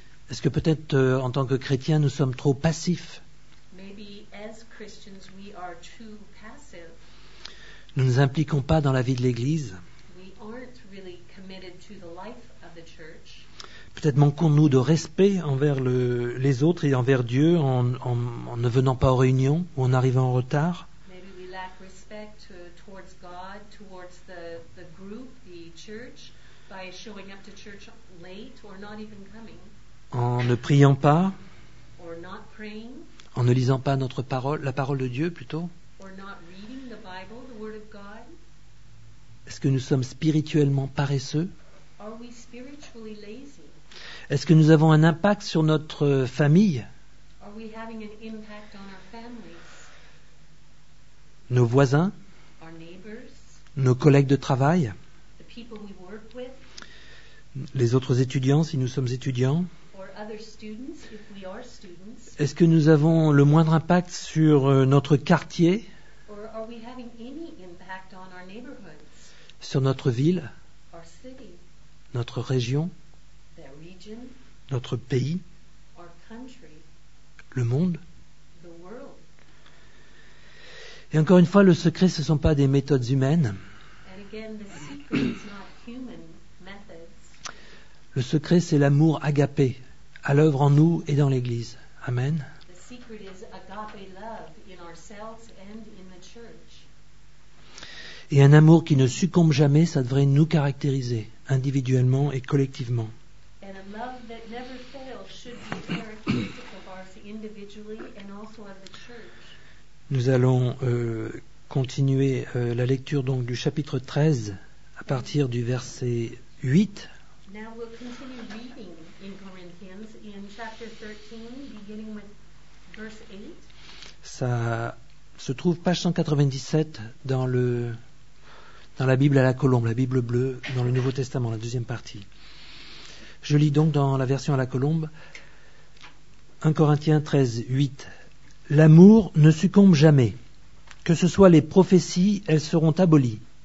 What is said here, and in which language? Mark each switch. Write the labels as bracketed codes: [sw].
[fr] Est-ce que peut-être, en tant que chrétiens, nous sommes trop passifs? [en] Maybe as Christians we are too passive. [fr] Nous ne nous impliquons pas dans la vie de l'Église. [en] We aren't really committed to the life of the church. [fr] Peut-être manquons-nous de respect envers les autres et envers Dieu en ne venant pas aux réunions ou en arrivant en retard. [en] Maybe we lack respect towards God, towards the group, the church, by showing up to church late or not even coming. [fr] En ne priant pas. [en] Or not praying. [fr] En ne lisant pas notre parole, la parole de Dieu plutôt. [en] Or not reading the Bible, the word of God. [fr] Est-ce que nous sommes spirituellement paresseux? [en] Are we spiritually lazy? [fr] Est-ce que nous avons un impact sur notre famille? [en] Are we having an impact on our families? [fr] Nos voisins? [en] Our neighbors? [fr] Nos collègues de travail? [en] The people we work with? [fr] Les autres étudiants, si nous sommes étudiants? [en] Or other students, if we are students? [fr] Est-ce que nous avons le moindre impact sur notre quartier? [en] Or are we having any impact on our neighborhoods? [fr] Sur notre ville? [en] Our city? [fr] Notre région? [en] The region? [fr] Notre pays? [en] Our country? [fr] Le monde? [en] The world? [fr] Et encore une fois, le secret, ce ne sont pas des méthodes humaines. [en] And again, the secret is not human methods. [fr] Le secret, c'est l'amour agapé à l'œuvre en nous et dans l'Église. Amen. [en] The secret is agape love in ourselves and in the church. [fr] Et un amour qui ne succombe jamais, ça devrait nous caractériser individuellement et collectivement. [en] And a love that never fails should be characteristic of ours individually and also of the church. [fr] Nous allons continuer la lecture donc du chapitre 13 à partir du verset 8. [en] Now we'll continue reading in Corinthians chapter 13, beginning with verse 8. [fr] Ça se trouve page 197 dans le dans la Bible à la colombe, la Bible bleue, dans le Nouveau Testament, la deuxième partie. Je lis donc dans la version à la colombe, 1 Corinthiens 13, 8. L'amour ne succombe jamais. Que ce soit les prophéties, elles seront abolies.